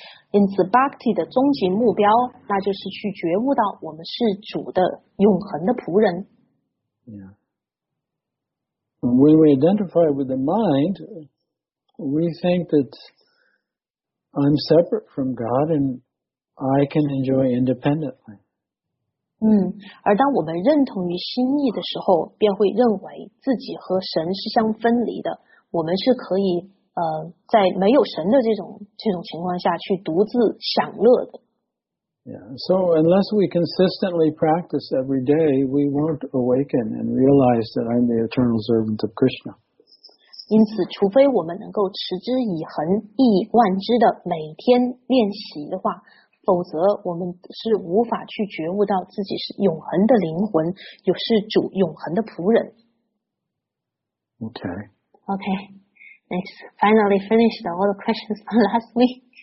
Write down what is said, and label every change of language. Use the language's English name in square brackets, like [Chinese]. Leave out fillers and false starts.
[Chinese] 因此 bhakti 的终极目标那就是去觉悟到我们是主的永恒的仆人。 [English] Yeah. When we identify with the mind, we think that I'm separate from God and I can enjoy independently. [Chinese] 而当我们认同于心意的时候，便会认为自己和神是相分离的，我们是可以在没有神的这种情况下去独自享乐的。 [English] Yeah, so unless we consistently practice every day, we won't awaken and realize that I'm the eternal servant of Krishna. [Chinese] 因此，除非我们能够持之以恒、一以贯之的每天练习的话，否则我们是无法去觉悟到自己是永恒的灵魂，又是主永恒的仆人。 [English] Okay. Okay. Next, finally finished all the questions from last week.